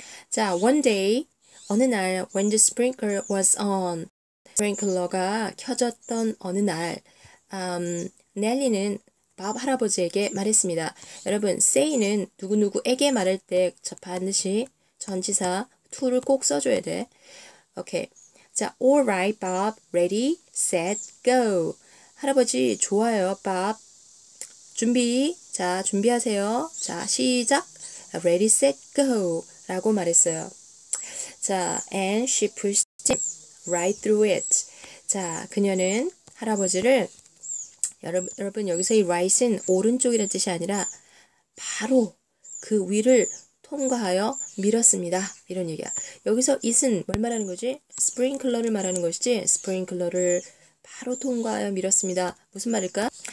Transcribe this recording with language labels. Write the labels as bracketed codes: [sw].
[en] 자, one day, [ko] 어느 날, [en] when the sprinkler was on. [ko] 스프링클러가 켜졌던 어느 날, Nelly는 밥 할아버지에게 말했습니다. 여러분, say는 누구누구에게 말할 때 접하듯이 전치사 to를 꼭 써줘야 돼. Okay. 자, [en] all right, Bob. Ready, set, go. [ko] 할아버지, 좋아요, [en] Bob. 준비. [ko] 자, 준비하세요. 자, 시작. [en] Ready, set, go. [ko] 라고 말했어요. [en] 자, and she pushed him right through it. [ko] 자, 그녀는 할아버지를 여러분 여기서 이 right은 오른쪽이라는 뜻이 아니라 바로 그 위를 통과하여 밀었습니다. 이런 얘기야. 여기서 it은 뭘 말하는 거지? 스프링클러를 말하는 것이지. 스프링클러를 바로 통과하여 밀었습니다. 무슨 말일까?